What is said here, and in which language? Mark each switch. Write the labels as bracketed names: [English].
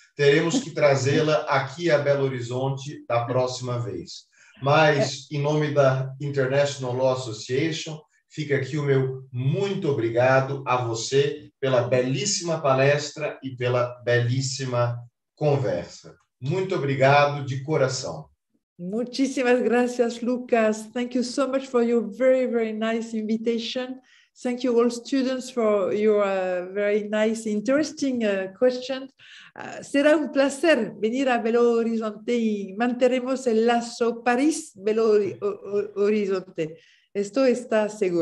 [Portuguese] Teremos que trazê-la aqui a Belo Horizonte da próxima vez. Mas, em nome da International Law Association, fica aqui o meu muito obrigado a você pela belíssima palestra e pela belíssima conversa. Muito obrigado de coração. [Spanish] Muchísimas gracias, Lucas. [English] Thank you so much for your very, very nice invitation. Thank you all students for your very nice, interesting questions. [Spanish] Será un placer venir a Belo Horizonte y mantendremos el lazo París-Belo Horizonte. Esto está seguro.